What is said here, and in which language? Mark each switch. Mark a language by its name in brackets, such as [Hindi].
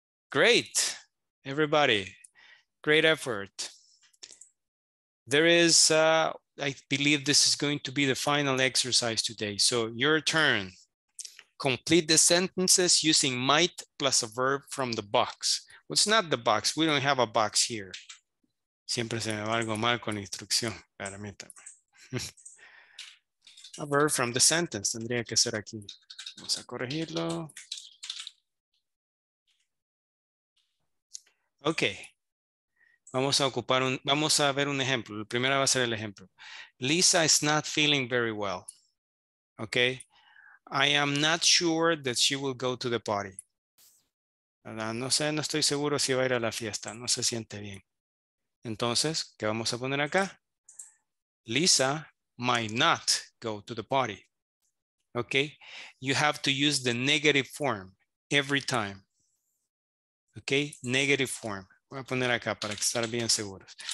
[English] Great, everybody. Great effort. There is, I believe this is going to be the final exercise today. So your turn. Complete the sentences using might plus a verb from the box. Well, it's not the box. We don't have a box here. [Spanish] Siempre se me va algo mal con instrucción. Permítame. [English] A verb from the sentence. [Spanish] Tendría que ser aquí. Vamos a corregirlo. Okay, vamos a ocupar un, vamos a ver un ejemplo. La primera va a ser el ejemplo. [English] Lisa is not feeling very well. Okay, I am not sure that she will go to the party. [Spanish] No sé, no estoy seguro si va a ir a la fiesta. No se siente bien. Entonces, ¿qué vamos a poner acá? [English] Lisa might not go to the party. Okay, you have to use the negative form every time. Okay, negative form. [Spanish] Voy a poner acá para estar bien seguros.